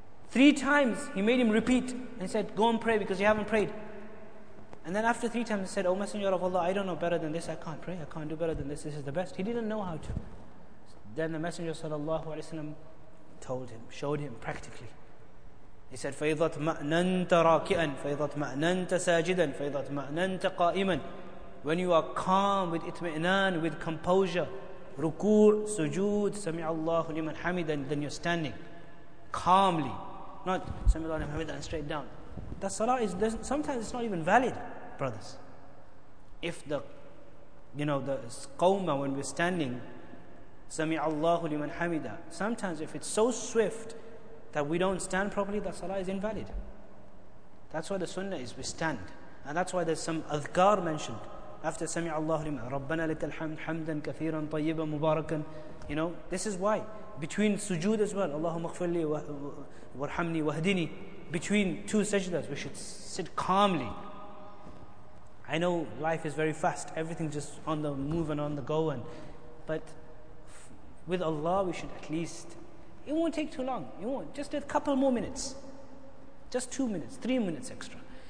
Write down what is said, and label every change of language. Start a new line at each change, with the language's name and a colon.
English: 3 times he made him repeat and said, go and pray because you haven't prayed. And then after 3 times he said, oh Messenger of Allah, I don't know better than this. I can't pray. I can't do better than this. This is the best. He didn't know how to. Then the Messenger sallallahu alayhi wa sallam told him, showed him practically.
Arabic: He said, فَإِذَا اطْمَأْنَنْتَ رَاكِئًا فَإِذَا اطْمَأْنَنْتَ سَاجِدًا فَإِذَا اطْمَأْنَنْتَ قَائِمًا.
English: When you are calm with itmi'nan, with composure, ruku', sujood,
Arabic: سَمِعَ اللَّهُ لِمَنْ حَمِدًا,
English: then you're standing calmly, not سَمِعَ اللَّهُ لِمَنْ حَمِدًا and straight down. That salah is, sometimes it's not even valid, brothers. If the qawma, when we're standing,
Arabic: سَمِعَ اللَّهُ لِمَنْ حَمِدًا,
English: sometimes if it's so swift that we don't stand properly, that salah is invalid. That's why the sunnah is we stand. And that's why there's some adhkar mentioned. After
Arabic: سَمِعَ اللَّهُ لِمَنْ رَبَّنَا لَكَ الْحَمْدُ حَمْدًا كَثِيرًا طَيِّبًا مُبَارَكًا.
English: You know, this is why. Between sujood as well,
Arabic: اللهم اغفر لي وارحمني واهدني.
English: Between two sajdas, we should sit calmly. I know life is very fast. Everything's just on the move and on the go. But with Allah, we should at least... It won't take too long. It won't. Just a couple more minutes. Just 2 minutes, 3 minutes extra.